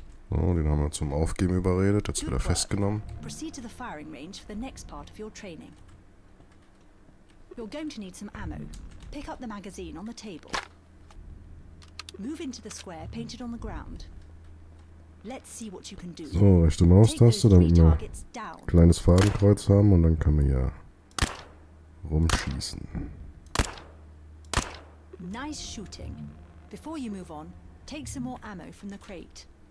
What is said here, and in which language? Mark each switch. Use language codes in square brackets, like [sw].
[de] So, den haben wir zum Aufgeben überredet, jetzt wird er festgenommen. [en] Proceed to the firing range for the next part of your training. You're going to need some ammo. Pick up the magazine on the table. Move into the square painted on the ground. Let's see what you can do. [de] So, rechte Maustaste, damit wir ein kleines Fadenkreuz haben und dann können wir ja rumschießen. [en] Nice shooting. Before you move on, take some more ammo from the crate.